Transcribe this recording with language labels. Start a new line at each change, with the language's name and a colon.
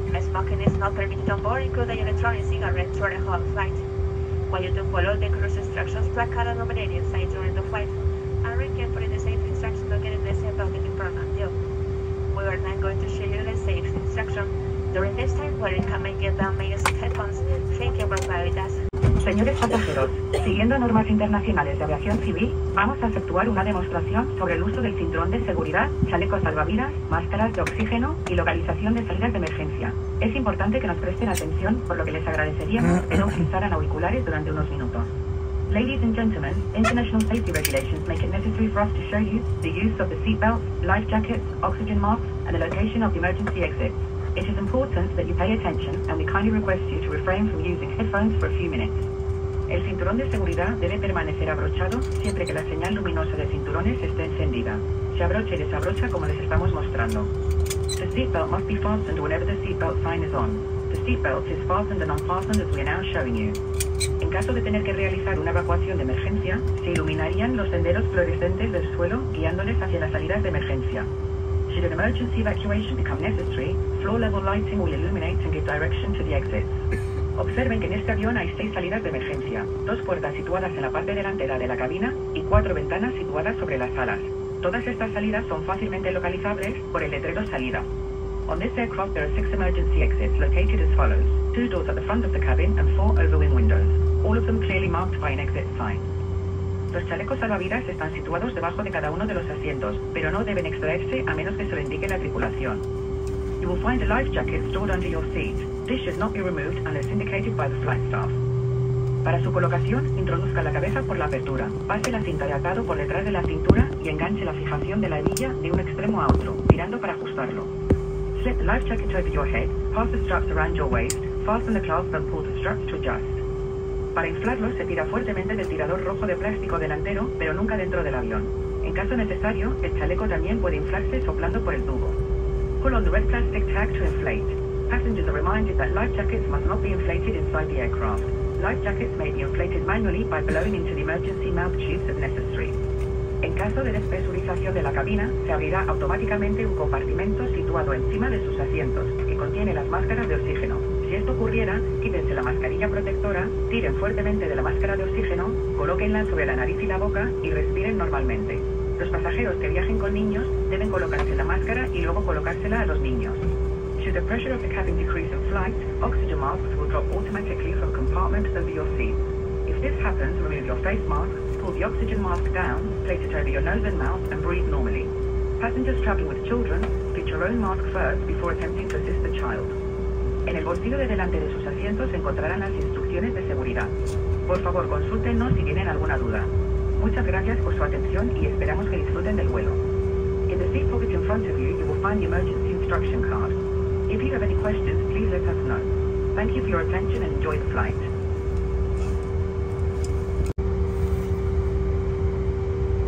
English: Smoking is not permitted on board, including electronic cigarettes during the whole flight. While you do follow the cruise instructions, placard and numerator inside during the flight, and read carefully the safety instructions located in the same building in front of you. We are now going to show you the safety instruction. During this time, where you can make it down, may use headphones. Thank you for flying with us.
Spanish: Señores pasajeros, siguiendo normas internacionales de aviación civil, vamos a efectuar una demostración sobre el uso del cinturón de seguridad, chalecos salvavidas, máscaras de oxígeno y localización de salidas de emergencia. Es importante que nos presten atención, por lo que les agradeceríamos que no utilizaran auriculares durante unos minutos.
English: Ladies and gentlemen, international safety regulations make it necessary for us to show you the use of the seatbelts, life jackets, oxygen masks, and the location of the emergency exits. It is important that you pay attention and we kindly request you to refrain from using headphones for a few minutes.
Spanish: El cinturón de seguridad debe permanecer abrochado siempre que la señal luminosa de cinturones esté encendida. Se abrocha y desabrocha como les estamos mostrando.
English: The seatbelt must be fastened whenever the seatbelt sign is on. The seatbelt is fastened and unfastened as we are now showing you.
Spanish: En caso de tener que realizar una evacuación de emergencia, se iluminarían los senderos fluorescentes del suelo guiándoles hacia las salidas de emergencia.
English: Should an emergency evacuation become necessary, floor-level lighting will illuminate and give direction to the exits.
Spanish: Observen que en este avión hay 6 salidas de emergencia, 2 puertas situadas en la parte delantera de la cabina y 4 ventanas situadas sobre las alas. Todas estas salidas son fácilmente localizables por el letrero salida.
English: On this aircraft there are 6 emergency exits located as follows. 2 doors at the front of the cabin and 4 overwing windows, all of them clearly marked by an exit sign.
Spanish: Los chalecos salvavidas están situados debajo de cada uno de los asientos, pero no deben extraerse a menos que se lo indique la tripulación.
English: You will find a life jacket stored under your seat. This should not be removed unless indicated by the flight staff.
Spanish: Para su colocación, introduzca la cabeza por la apertura, pase la cinta de atado por detrás de la cintura y enganche la fijación de la hebilla de un extremo a otro, tirando para ajustarlo.
English: Slip the life jacket over your head, pass the straps around your waist, fasten the clasp and pull the straps to adjust.
Spanish: Para inflarlo, se tira fuertemente del tirador rojo de plástico delantero, pero nunca dentro del avión. En caso necesario, el chaleco también puede inflarse soplando por el tubo.
English: Pull on the red plastic tag to inflate. Passengers are reminded that life jackets must not be inflated inside the aircraft. Life jackets may be inflated manually by blowing into the emergency mouth tubes if necessary.
Spanish: En caso de despresurización de la cabina, se abrirá automáticamente un compartimento situado encima de sus asientos, que contiene las máscaras de oxígeno. Si esto ocurriera, quítense la mascarilla protectora, tiren fuertemente de la máscara de oxígeno, colóquenla sobre la nariz y la boca y respiren normalmente. Los pasajeros que viajen con niños deben colocarse la máscara y luego colocársela a los niños.
English: Should the pressure of the cabin decrease in flight, oxygen masks will drop automatically from compartment over your seat. If this happens, remove your face mask, pull the oxygen mask down, place it over your nose and mouth, and breathe normally. Passengers traveling with children, fit your own mask first before attempting to assist the child.
Spanish: En el bolsillo de delante de sus asientos se encontrarán las instrucciones de seguridad. Por favor, consúltenos si tienen alguna duda. Muchas gracias por su atención y esperamos que disfruten del vuelo.
English: In the seat pocket in front of you, you will find the emergency instruction card. If you have any questions, please let us know. Thank you for your attention and enjoy the flight.